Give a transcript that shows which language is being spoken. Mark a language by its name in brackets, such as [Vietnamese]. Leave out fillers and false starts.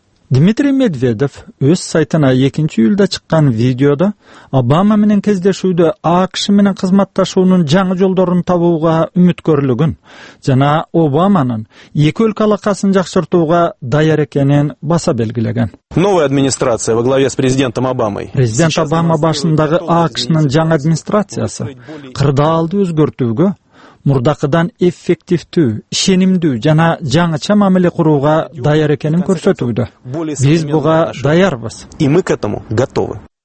[Kyrgyz] Дмитрий Медведев өз сайтына 2 июлда чыккан видеодо Обама менен кездешүүдө АКШ менен кызматташуунун жаңы жолдорун табууга үмүткөрлүгүн жана Обаманын эки өлкө алакасын жакшыртууга даяр экенин баса белгилеген. [Russian] Новая администрация во главе с президентом Обамой. [Kyrgyz] Президент Обама башындагы АКШнын жаңы администрациясы кырдаалды өзгөртүүгө, мурдакыдан эффективдүү, ишенимдүү жана жаңыча мамиле курууга даяр экенин көрсөтүүдө. Биз буга даярбыз. [Russian] И мы к этому готовы.